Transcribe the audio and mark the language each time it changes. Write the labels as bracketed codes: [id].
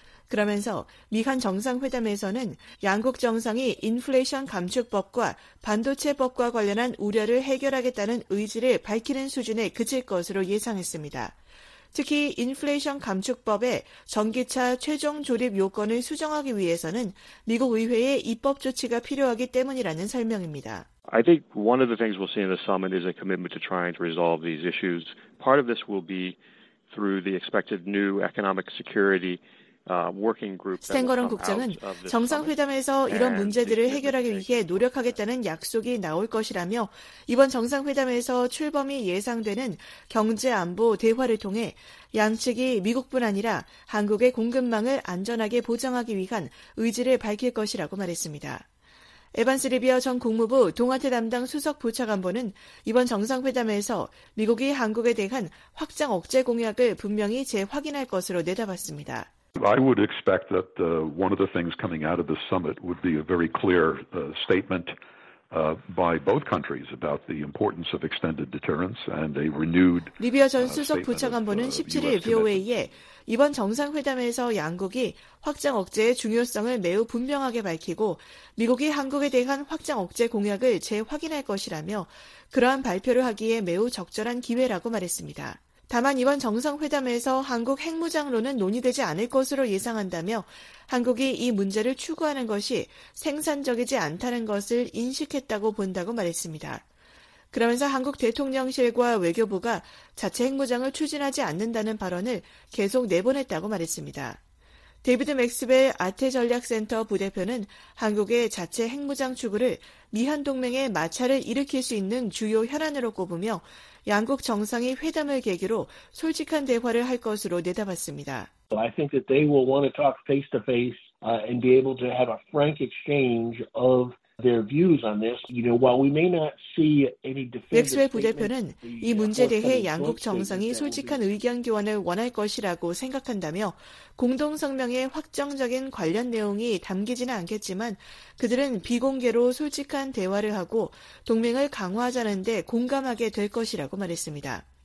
[ko] 그러면서 미한 정상회담에서는 양국 정상이 인플레이션 감축법과 반도체법과 관련한 우려를 해결하겠다는 의지를 밝히는 수준에 그칠 것으로 예상했습니다. 특히 인플레이션 감축법에 전기차 최종 조립 요건을 수정하기 위해서는 미국 의회의 입법 조치가 필요하기 때문이라는 설명입니다. [en] I think one of the things we'll see in the summit is a commitment to trying to resolve these issues. Part of this will be through the expected new economic security [ko] 스탱거런 국장은 정상회담에서 이런 문제들을 해결하기 위해 노력하겠다는 약속이 나올 것이라며 이번 정상회담에서 출범이 예상되는 경제안보 대화를 통해 양측이 미국뿐 아니라 한국의 공급망을 안전하게 보장하기 위한 의지를 밝힐 것이라고 말했습니다. 에반스 리비어 전 국무부 동아태 담당 수석 부차관보는 이번 정상회담에서 미국이 한국에 대한 확장 억제 공약을 분명히 재확인할 것으로 내다봤습니다. [en] I would expect that one of the things coming out of the summit would be a very clear statement by both countries about the importance of extended deterrence and a renewed [ko] 리비아 전 수석 부차관보는 17일 VOA에 이번 정상회담에서 양국이 확장 억제의 중요성을 매우 분명하게 밝히고 미국이 한국에 대한 확장 억제 공약을 재확인할 것이라며 그러한 발표를 하기에 매우 적절한 기회라고 말했습니다. 다만 이번 정상회담에서 한국 핵무장론은 논의되지 않을 것으로 예상한다며 한국이 이 문제를 추구하는 것이 생산적이지 않다는 것을 인식했다고 본다고 말했습니다. 그러면서 한국 대통령실과 외교부가 자체 핵무장을 추진하지 않는다는 발언을 계속 내보냈다고 말했습니다. 데이비드 맥스벨 아태전략센터 부대표는 한국의 자체 핵무장 추구를 미한동맹의 마찰을 일으킬 수 있는 주요 현안으로 꼽으며 양국 정상이 회담을 계기로 솔직한 대화를 할 것으로 내다봤습니다. [en] I think that they will want to talk face-to-face and be able to have a frank exchange of their views on this. You know, while we may not see any definitive [ko] 맥스벨 부대표는 이 문제에 대해 양국 정상이 솔직한 의견 교환을 원할 것이라고 생각한다며 공동성명의 확정적인 관련 내용이 담기지는 않겠지만 그들은 비공개로 솔직한 대화를 하고 동맹을 강화하자는 데 공감하게 될 것이라고 말했습니다.